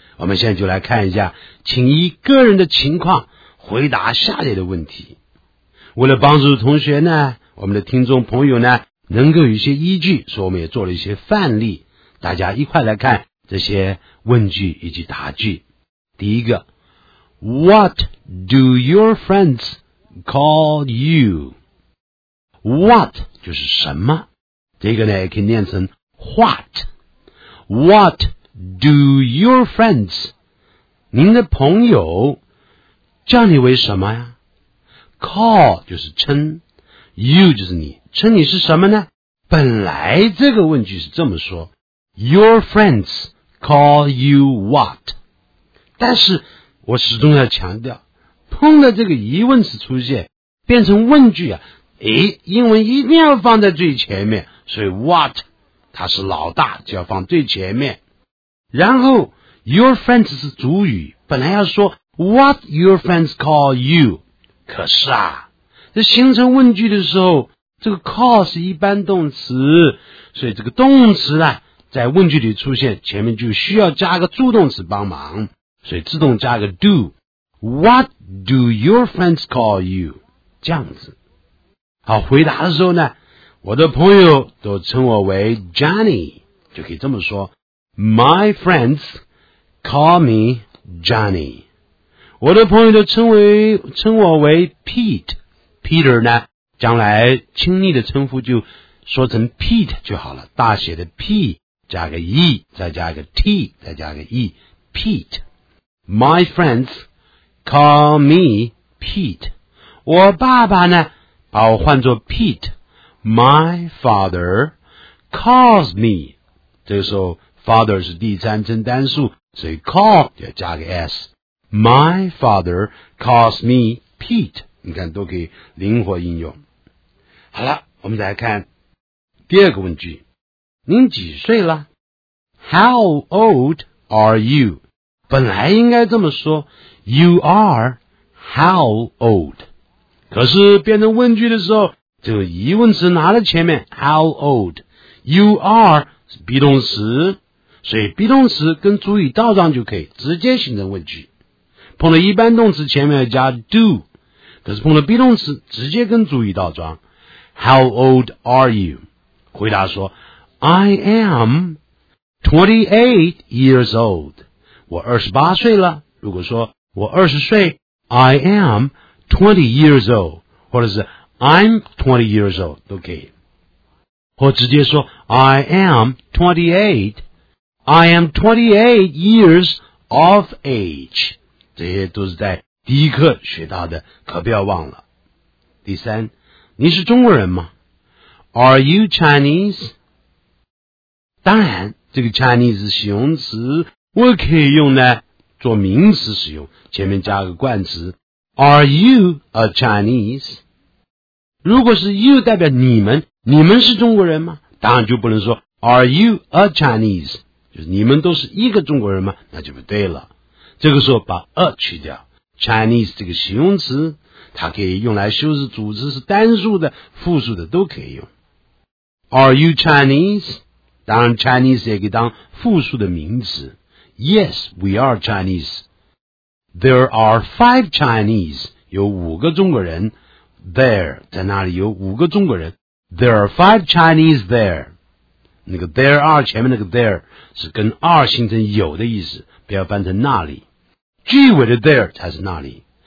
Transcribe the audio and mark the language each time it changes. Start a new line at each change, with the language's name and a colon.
Chinese: 我们现在就来看一下，请依个人的情况回答下列的问题。为了帮助同学呢，我们的听众朋友呢，能够有一些依据，所以我们也做了一些范例，大家一块来看这些问句以及答句。第一个
English: ，What do your friends？ Call you.
Chinese: What 就是什么，这个呢可以念成 what.
English: What do your friends,
Chinese: 您的朋友叫你为什么呀？ Call 就是称， you 就是你，称你是什么呢？本来这个问句是这么说，
English: Your friends call you what.
Chinese: 但是我始终要强调，碰到这个疑问词出现变成问句啊，诶，英文一定要放在最前面，所以 what 它是老大，就要放最前面。然后 your friends 是主语，本来要说
English: what your friends call you，
Chinese: 可是啊，这形成问句的时候，这个 call 是一般动词，所以这个动词呢在问句里出现前面就需要加个助动词帮忙，所以自动加个 do。
English: What do your friends call you?
Chinese: 这样子。好，回答的时候呢，我的朋友都称我为 Johnny， 就可以这么说，
English: My friends call me Johnny。
Chinese: 我的朋友都称我为 Pete， Peter 呢将来亲昵的称呼就说成 Pete 就好了，大写的 P 加个 E 再加个 T 再加个 E， Pete。
English: My friendscall me Pete，
Chinese: 我爸爸呢把我换作 Pete， My father calls me， 这个时候 father 是第三称单数，所以 call 就要加个 S，
English: My father calls me Pete，
Chinese: 你看都可以灵活应用。好了，我们再来看第二个问句，您几岁了？
English: How old are you？
Chinese: 本来应该这么说，
English: You are how old?
Chinese: 可是变成问句的时候，这个疑问词拿了前面 how old， You are 是 be 动词，所以 be 动词跟主语倒装就可以直接形成问句。碰到一般动词前面要加 do， 可是碰到 be 动词直接跟主语倒装。
English: How old are you?
Chinese: 回答说
English: I am 28 years old，
Chinese: 我28岁了。如果说我20岁
English: ,I am 20 years old, 或者是 I'm 20 years old, 都可以。
Chinese: 或直接说
English: I am 28, I am 28 years of age,
Chinese: 这些都是在第一课学到的，可不要忘了。第三，你是中国人吗？
English: Are you Chinese?
Chinese: 当然，这个 Chinese 是形容词，我可以用呢做名词使用，前面加个冠词
English: Are you a Chinese?
Chinese: 如果是 you 代表你们，你们是中国人吗？当然就不能说 Are you a Chinese? 就是你们都是一个中国人吗？那就不对了。这个时候把 a 去掉， Chinese 这个形容词它可以用来修饰组织是单数的复数的都可以用。
English: Are you Chinese?
Chinese: 当然 Chinese 也可以当复数的名词。
English: Yes, we are Chinese. There are 5 Chinese,
Chinese: 有五个中国人。 There, 在那里有五个中国人。
English: There are 5 Chinese there.
Chinese: 那个 there are 前面那个 there 是跟 are 形成有的意思，不要翻成那里。句尾的 there 才是那里。